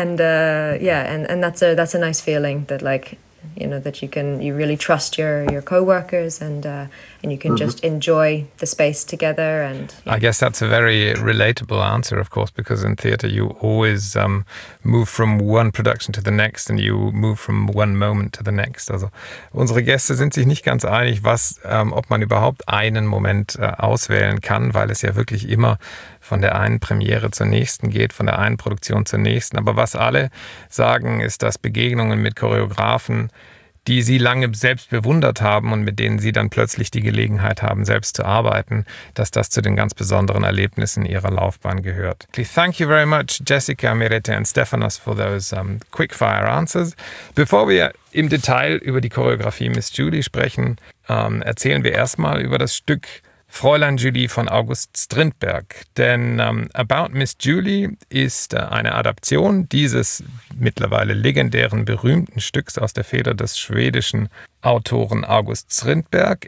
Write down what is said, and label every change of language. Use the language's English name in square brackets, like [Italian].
[English] and that's a nice feeling that, like, you know, that you really trust your co-workers and you can just enjoy the space together. And yeah. I guess that's a very relatable answer, of course, because in theater you always move from one production to the next and you move from one moment to the next. [German] Also unsere Gäste sind sich nicht ganz einig, was ob man überhaupt einen Moment auswählen kann, weil es ja wirklich immer von der einen Premiere zur nächsten geht, von der einen Produktion zur nächsten. Aber was alle sagen, ist, dass Begegnungen mit Choreografen, die sie lange selbst bewundert haben und mit denen sie dann plötzlich die Gelegenheit haben, selbst zu arbeiten, dass das zu den ganz besonderen Erlebnissen ihrer Laufbahn gehört. [English] Thank you very much, Jessica, Merete and Stephanos, for those quickfire answers. [German] Bevor wir im Detail über die Choreografie Miss Julie sprechen, erzählen wir erstmal über das Stück Fräulein Julie von August Strindberg. Denn About Miss Julie ist eine Adaption dieses mittlerweile legendären, berühmten Stücks aus der Feder des schwedischen Autoren August Strindberg.